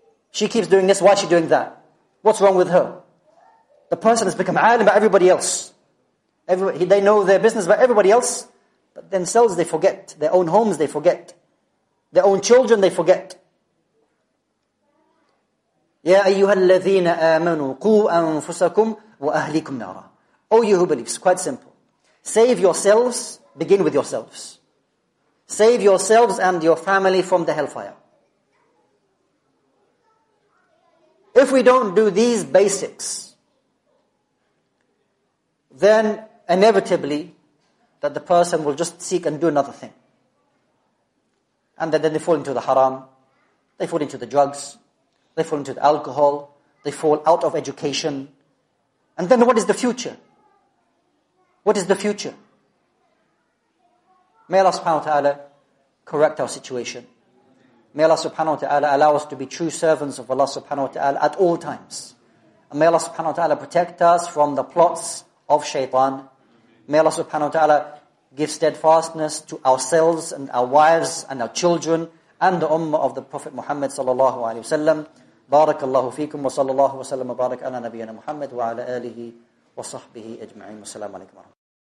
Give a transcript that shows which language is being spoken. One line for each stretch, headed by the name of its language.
English: She keeps doing this. Why is she doing that? What's wrong with her? The person has become alim about everybody else. They know their business about everybody else. But themselves, they forget. Their own homes, they forget. Their own children, they forget.
Arabic: يا أيها الذين آمنوا قوا أنفسكم وأهليكم نارا.
English: Oh, you who believe, it's quite simple. Save yourselves, begin with yourselves. Save yourselves and your family from the hellfire. If we don't do these basics, then inevitably that the person will just seek and do another thing. And then they fall into the haram, they fall into the drugs, they fall into the alcohol, they fall out of education. And then what is the future? What is the future? May Allah subhanahu wa ta'ala correct our situation. May Allah subhanahu wa ta'ala allow us to be true servants of Allah subhanahu wa ta'ala at all times. And may Allah subhanahu wa ta'ala protect us from the plots of shaitan. May Allah subhanahu wa ta'ala give steadfastness to ourselves and our wives and our children and the ummah of the Prophet Muhammad sallallahu alayhi wa sallam.
Arabic: بارك الله فيكم وصلى الله وسلم وبارك على نبينا محمد وعلى آله وصحبه أجمعين والسلام عليكم ورحمة الله.